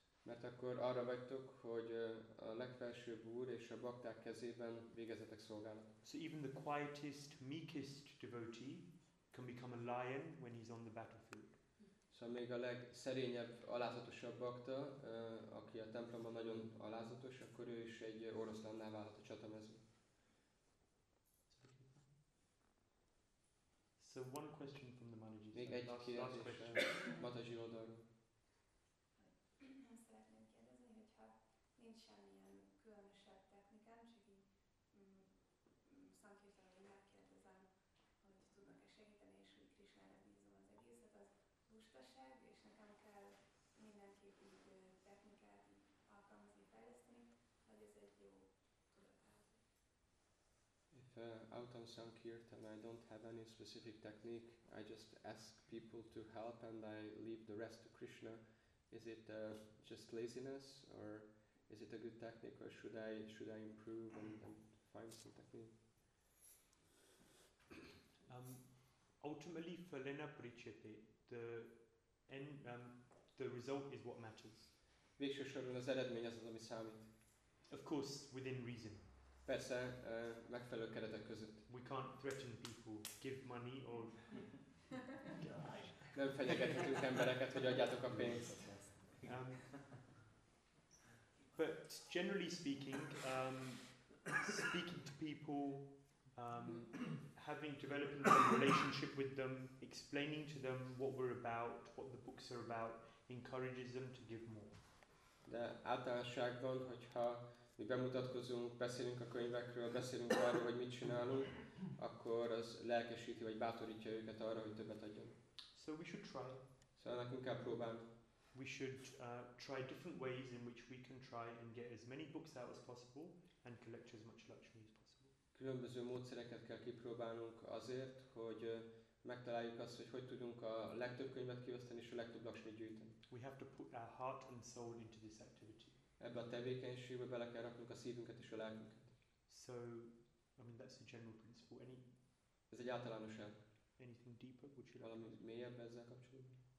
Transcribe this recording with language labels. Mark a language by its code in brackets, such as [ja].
[hu] Mert akkor arra vagytok, hogy a legfelsőbb úr és a bakták kezében végezetek szolgálat. [en] So even the quietest, meekest devotee can become a lion when he's on the battlefield. [hu] So még a legszerényebb, alázatosabb bakta, aki a templomban nagyon alázatos, akkor ő is egy oroszlánná válhat a csatamezőn. [en] So one question from the Manaji. [hu] Még egy kérdés a Mataji oldalról. Azt szeretném kérdezni, hogyha nincs semmilyen különösebb technikám, csak így szankírtam, hogy megkérdezem, hogy tudnak-e segíteni, és hogy Krisnára bízom az egészet, az lustaság, és nekem kell mindenképp így technikát alkalmazni, fejleszteni, vagy ez egy jó tudatállapot. [en] If out on Sankirtan I don't have any specific technique, I just ask people to help and I leave the rest to Krishna, is it just laziness or is it a good technique or should I improve and find some technique? Ultimately, [sa] falena prichete, [en] the result is what matters. [hu] Végső soron az eredmény az, ami számít. [en] Of course, within reason. [hu] Persze, megfelelő keretek között. [en] We can't threaten people, give money or die. [hu] Nem fenyegethetünk embereket, hogy adjátok a pénzt. [en] But generally speaking, speaking to people, developing a relationship with them, explaining to them what we're about, what the books are about, encourages them to give more. [hu] De általánosságban, hogyha mi bemutatkozunk, beszélünk a könyvekről, beszélünk arról, hogy mit csinálunk, akkor az lelkesíti vagy bátorítja őket arra, hogy többet adjon. [en] So we should try. [hu] Szóval nekünk kell próbálni. [en] We should try different ways in which we can try and get as many books out as possible and collect as much luxury as possible. [hu] Különböző módszereket kell kipróbálnunk azért, hogy megtaláljuk azt, hogy hogyan tudunk a legtöbb könyvet kiosztani és a legtöbb lakshmit gyűjteni. [en] We have to put our heart and soul into this activity. [hu] Ebbe a tevékenységbe bele kell raknunk a szívünket és a lelkünket. [en] So, I mean that's a general principle. Any? [hu] Ez egy általános elv. [en] Anything deeper? Would you like [hu] valami mélyebb ezzel kapcsolatban?